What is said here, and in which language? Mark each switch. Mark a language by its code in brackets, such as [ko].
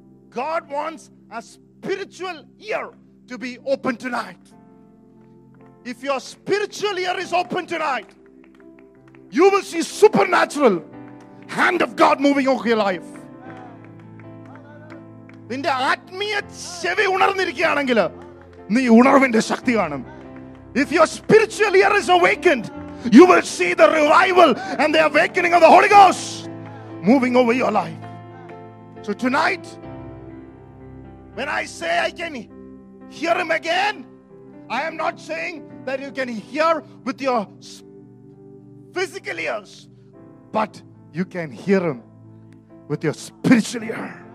[en] God wants a spiritual ear to be open tonight. If your spiritual ear is open tonight, you will see supernatural hand of God moving over your life. [ml] നിന്റെ ആത്മീയ ചെവി ഉണർന്നിരിക്കുകയാണെങ്കിൽ നീ ഉണർവിന്റെ ശക്തി കാണും. [en] If your spiritual ear is awakened, you will see the revival and the awakening of the Holy Ghost moving over your life. So tonight, when I say I can hear him again, I am not saying that you can hear with your physical ears, but you can hear him with your spiritual ear.